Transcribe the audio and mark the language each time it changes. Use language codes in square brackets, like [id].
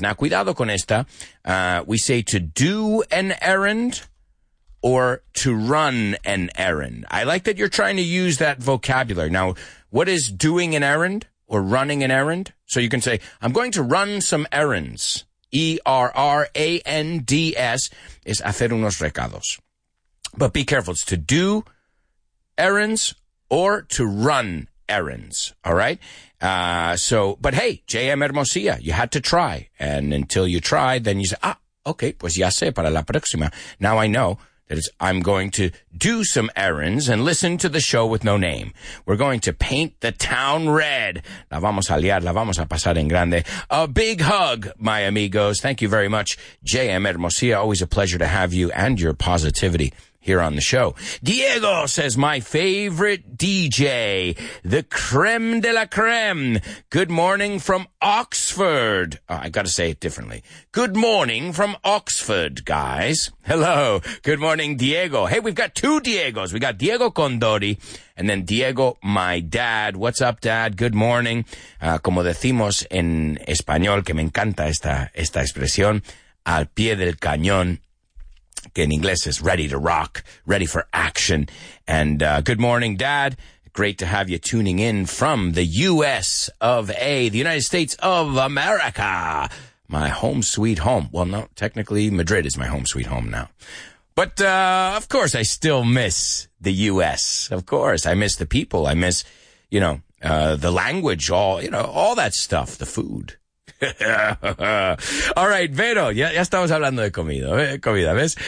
[en] Now, [es] cuidado con esta. [en] We say to do an errand or to run an errand. I like that you're trying to use that vocabulary. Now, what is doing an errand or running an errand? So you can say, I'm going to run some errands. E-R-R-A-N-D-S is [es] hacer unos recados. [en] But be careful. It's to do errands or to run errands. All right? But hey, J.M. Hermosilla, you had to try. And until you try, then you say, ah, okay, [es] pues ya sé para la próxima. [en] Now I know. that is, I'm going to do some errands and listen to the show with no name. We're going to paint the town red. [es] La vamos a liar, la vamos a pasar en grande. [en] A big hug, my amigos. Thank you very much, J.M. Hermosilla. Always a pleasure to have you and your positivity here on the show. Diego says, my favorite DJ, the creme de la creme. Good morning from Oxford. Oh, I got to say it differently. Good morning from Oxford, guys. Hello. Good morning, Diego. Hey, we've got two Diegos. We got Diego Condori and then Diego, my dad. What's up, dad? Good morning. [es] Como decimos en español, que me encanta esta expresión, al pie del cañón. [en] In English, is ready to rock, ready for action. And good morning, Dad. Great to have you tuning in from the U.S. of A, the United States of America, my home sweet home. Well, no, technically Madrid is my home sweet home now. But of course, I still miss the U.S. Of course, I miss the people. I miss, you know, the language, all, you know, all that stuff, the food. [es] All right, Vero, ya estamos hablando de comida, comida, ¿ves?